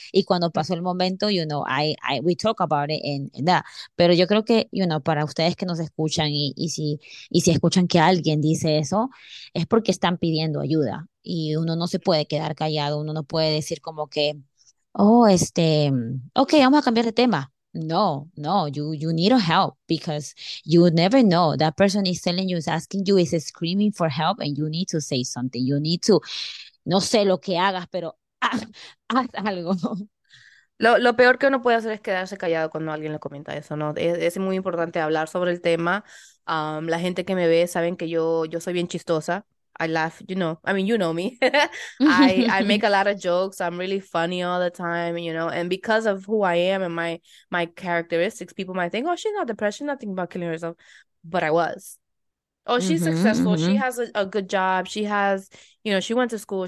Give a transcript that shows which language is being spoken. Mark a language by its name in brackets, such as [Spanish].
[Spanish] Y cuando pasó el momento, [English] you know, we talk about it and that. [Spanish] Pero yo creo que, you know, para ustedes que nos escuchan y si escuchan que alguien dice eso, es porque están pidiendo ayuda. Y uno no se puede quedar callado, uno no puede decir como que, oh, ok, vamos a cambiar de tema. [English] No, no, you need help because you never know. That person is telling you, is asking you, is screaming for help and you need to say something. You need to. [Spanish] No sé lo que hagas, pero haz algo. Lo peor que uno puede hacer es quedarse callado cuando alguien le comenta eso, ¿no? Es muy importante hablar sobre el tema. La gente que me ve saben que yo soy bien chistosa. [English] I laugh, you know. I mean, you know me. I make a lot of jokes. I'm really funny all the time, you know. And because of who I am and my characteristics, people might think, oh, she's not depressed. She's not thinking about killing herself. But I was. Oh, she's successful. She has a good job. She has, you know, she went to school.